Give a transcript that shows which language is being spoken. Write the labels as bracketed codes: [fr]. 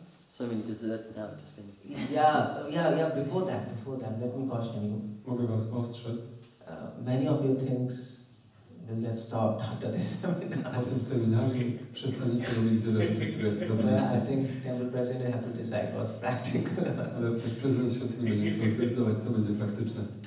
[en] So many desserts now have just been. Yeah. Before that, let me caution you. [pl] Mogę was ostrzec. [en] Many of you things will get stopped after this seminar. [pl] Po tym seminarze przestaniecie robić wiele rzeczy, które robiliście. [en] I think temple president have to decide what's practical. [pl] Ale też prezydent świątyni będzie musiał zdecydować, co będzie praktyczne.